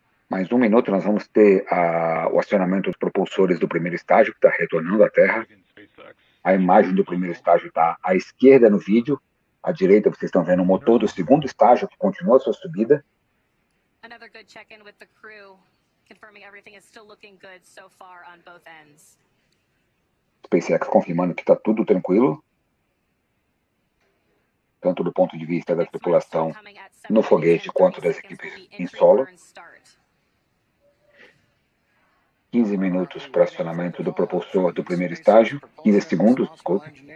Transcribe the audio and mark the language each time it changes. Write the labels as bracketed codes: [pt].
[pt] Mais um minuto, nós vamos ter o acionamento dos propulsores do primeiro estágio, que está retornando à Terra. A imagem do primeiro estágio está à esquerda no vídeo. À direita, vocês estão vendo o motor do segundo estágio, que continua a sua subida. [en] Another good check-in with the crew, confirming everything is still looking good so far on both ends. [pt] SpaceX confirmando que está tudo tranquilo, tanto do ponto de vista da tripulação no foguete quanto das equipes em solo. 15 minutos para acionamento do propulsor do primeiro estágio, 15 segundos, desculpe.